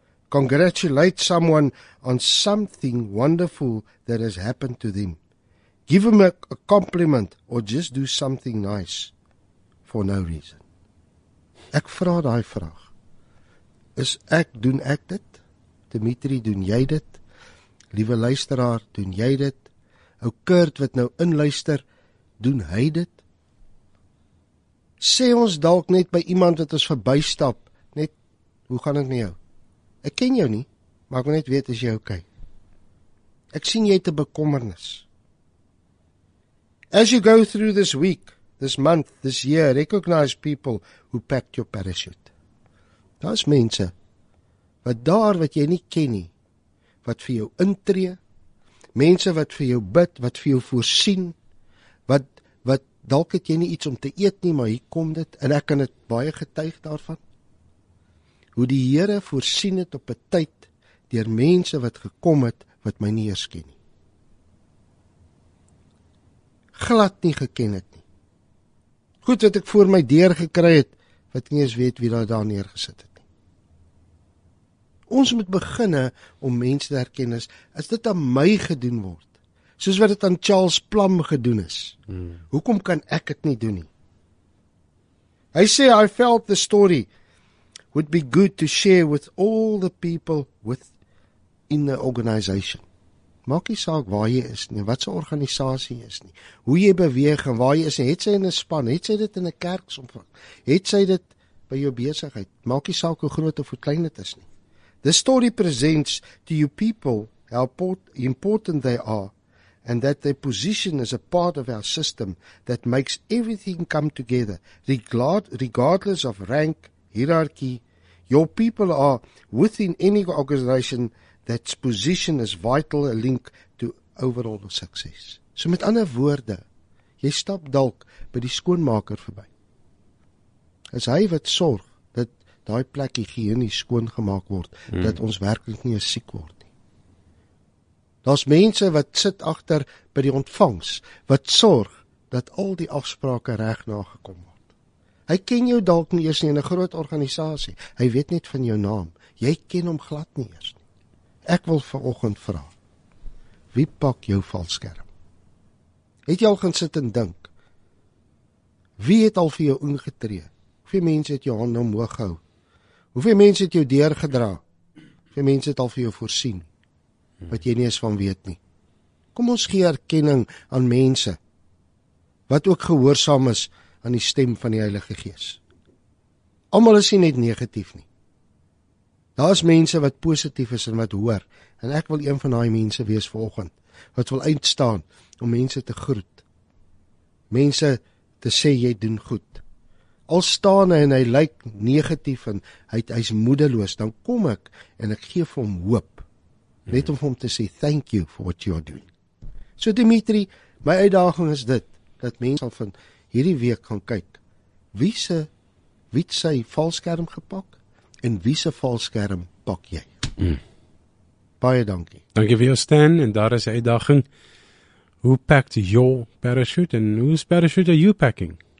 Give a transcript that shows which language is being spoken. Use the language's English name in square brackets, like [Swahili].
[English] Congratulate someone on something wonderful that has happened to them. Give them a compliment, or just do something nice, for no reason. [Afrikaans] Ek vra daai vraag, doen ek dit? Dimitri, doen jy dit? Liewe luisteraar, doen jy dit? Ou Kurt wat nou inluister, doen hy dit? Sê ons dalk net by iemand wat ons verbystap, net hoe gaan dit met jou? Ek ken jou nie, maar ek wil net weet, is jy okay? Ek sien jy het 'n bekommernis. [English] As you go through this week, this month, this year, recognize people who packed your parachute. [Afrikaans] Daar is mense, wat daar wat jy nie ken nie, wat vir jou intree, mense wat vir jou bid, wat vir jou voorsien, wat dalk het jy nie iets om te eet nie, maar hier kom dit, en ek kan het baie getuig daarvan, hoe die Here voorsien het op 'n tyd, deur mense wat gekom het, wat my nie eers ken nie. Glad nie geken het nie. Goed wat ek voor my deur gekry het, wat nie eens weet wie daar neergesit het. Ons moet beginne om mense te herken as dit aan my gedoen word, soos wat dit aan Charles Plum gedoen is. Hoekom kan ek dit nie doen nie? Hy sê, [English] I felt the story would be good to share with all the people with in the organization. [Afrikaans] Maak nie saak waar jy is nie, wat sy organisasie is nie, hoe jy beweeg en waar jy is nie, het sy in 'n span, het sy dit in 'n kerksomvang, het sy dit by jou besigheid, maak nie saak hoe groot of hoe klein dit is nie. [English] The story presents to you people how important they are and that their position is a part of our system that makes everything come together, regardless of rank, hierarchy. Your people are within any organization that's position is vital, a link to overall success. [Afrikaans] So met ander woorde, jy stap dalk by die skoonmaker verby. Is hy wat sorg daai plek higiënie skoon gemaak word, dat ons werklik nie siek word nie. Daar's mense wat sit agter by die ontvangs, wat sorg dat al die afsprake reg nagekom word. Hy ken jou dalk nie eers nie in 'n groot organisasie. Hy weet net van jou naam. Jy ken hom glad nie eers nie. Ek wil vanoggend vra, wie pak jou valskerm? Het jy al gaan sit en dink? Wie het al vir jou ingetree? Hoeveel mense het jou hand omhoog gehou? Hoeveel mense het jou deurgedra? Hoeveel mense het al vir jou voorsien? Wat jy nie eens van weet nie. Kom ons gee erkenning aan mense, wat ook gehoorsaam is aan die stem van die Heilige Gees. Almal is nie net negatief nie. Daar is mense wat positief is en wat hoor, en ek wil een van daai mense wees vanoggend, wat wil uitstaan om mense te groet. Mense te sê, jy doen goed. Al staan hy en hy lyk negatief en hy is moedeloos, dan kom ek en ek gee vir hom hoop. Net om vir hom te sê, [English] thank you for what you are doing. [Afrikaans] So Dimitri, my uitdaging is dit, dat mense sal van hierdie week gaan kyk, wie het sy valskerm gepak en wie se valskerm pak jy? Baie dankie. Dankie vir jou Stan en daar is die uitdaging. [English] Who packed your parachute and whose parachute are you packing?